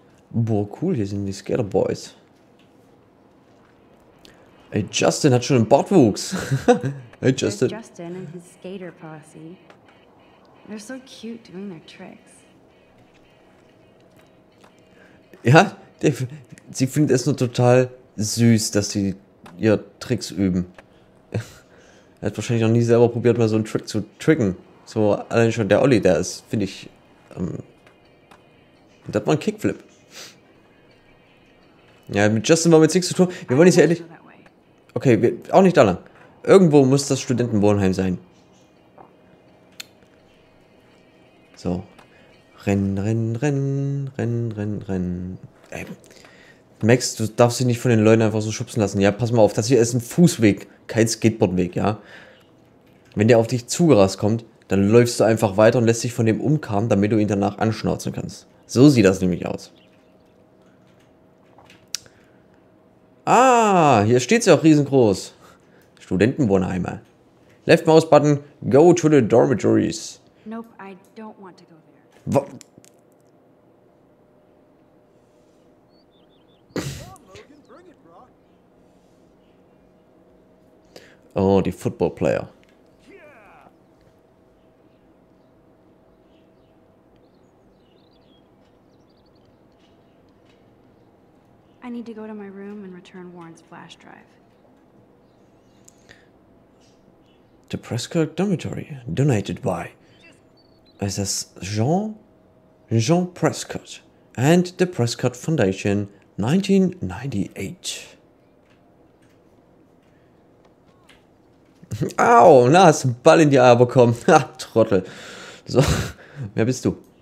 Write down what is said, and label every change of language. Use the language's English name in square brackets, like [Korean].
[German] Boah, cool, hier sind die Skater Boys. Ey, Justin hat schon einen Bartwuchs. Hey, Justin. [English] Justin and his skater posse. They're so cute doing their tricks. [German] Ja, Sie findet es nur total süß, dass sie ihr Tricks üben. Er hat wahrscheinlich noch nie selber probiert, mal so einen Trick zu tricken. So, allein schon der Olli, der ist, finde ich, das war ein Kickflip. Ja, mit Justin war mit nichts zu tun. Wir wollen jetzt ehrlich... Okay, auch nicht da lang. Irgendwo muss das Studentenwohnheim sein. So. Rennen. Ey. Max, du darfst dich nicht von den Leuten einfach so schubsen lassen. Ja, pass mal auf, das hier ist ein Fußweg, kein Skateboardweg, ja. Wenn der auf dich zugerast kommt, dann läufst du einfach weiter und lässt dich von dem umkarren, damit du ihn danach anschnauzen kannst. So sieht das nämlich aus. Ah, hier steht sie auch riesengroß. Studentenwohnheime. [English] Left Mouse Button, go to the dormitories. Nope, I don't want to go there. [German] Oh, die Football Player. [English] I need to go to my room and return Warren's flash drive. The Prescott Dormitory, donated by. [German] Es ist Jean Prescott [English] and the Prescott Foundation, [German] 1998. Au, na, hast du einen Ball in die Eier bekommen. Ha, Trottel. So, wer bist du?